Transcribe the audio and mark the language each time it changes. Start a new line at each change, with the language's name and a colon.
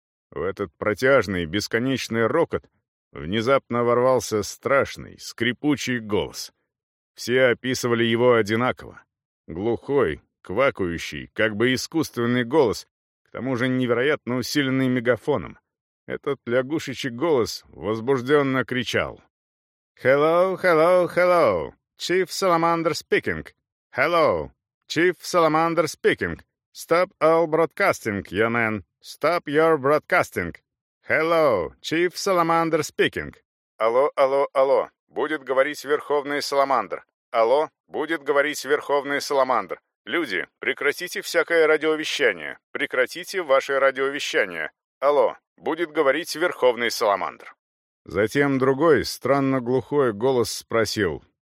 Russian: В этот протяжный, бесконечный рокот внезапно ворвался страшный, скрипучий голос. Все описывали его одинаково. Глухой, квакающий, как бы искусственный голос, к тому же невероятно усиленный мегафоном. Этот лягушечий голос возбужденно кричал.
English: «Hello, hello, hello! Chief Salamander speaking! Hello! Chief Salamander speaking! Stop all broadcasting, young man! Stop your broadcasting! Hello, Chief Salamander speaking!
Russian: Алло, алло, алло! Будет говорить Верховный Саламандр! Алло, будет говорить Верховный Саламандр! Люди, прекратите всякое радиовещание! Прекратите ваше радиовещание! Алло! «Будет говорить Верховный Саламандр». Затем другой, странно глухой голос спросил.